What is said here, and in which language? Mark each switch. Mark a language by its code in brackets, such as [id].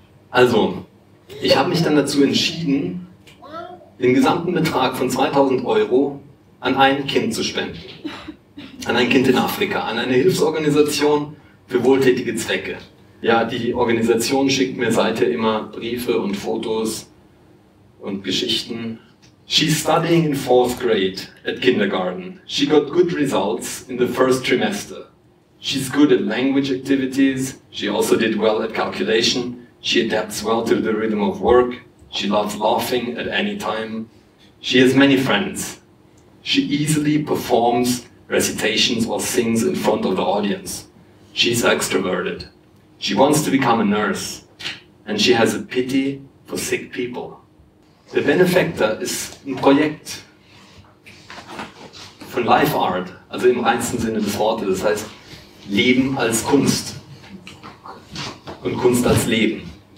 [de] Also, ich habe mich dann dazu entschieden, den gesamten Betrag von 2000 Euro an ein Kind zu spenden. An ein Kind in Afrika, an eine Hilfsorganisation für wohltätige Zwecke. Ja, die Organisation schickt mir seither immer Briefe und Fotos und Geschichten. [en] She's studying in fourth grade at kindergarten. She got good results in the first trimester. She's good at language activities. She also did well at calculation. She adapts well to the rhythm of work. She loves laughing at any time. She has many friends. She easily performs recitations or sings in front of the audience. She's extroverted. She wants to become a nurse. And she has a pity for sick people. [de] Der Benefactor ist ein Projekt von Life Art, also im reinsten Sinne des Wortes, das heißt Leben als Kunst und Kunst als Leben.